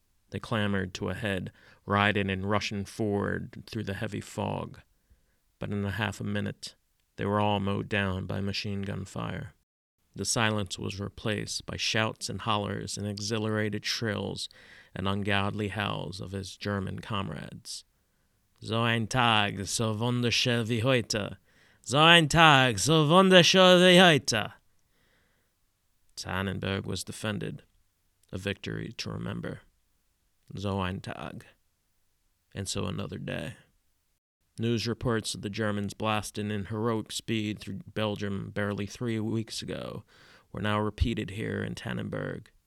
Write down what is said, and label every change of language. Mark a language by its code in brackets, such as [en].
[en] They clambered to a head, riding and rushing forward through the heavy fog. But in a half a minute, they were all mowed down by machine gun fire. The silence was replaced by shouts and hollers and exhilarated shrills and ungodly howls of his German comrades. [de] So ein Tag, so wunderschön wie heute. So ein Tag, so wunderschön wie heute. [en] Tannenberg was defended, a victory to remember. [de] So ein Tag. [en] And so another day. News reports of the Germans blasting in heroic speed through Belgium barely 3 weeks ago were now repeated here in Tannenberg.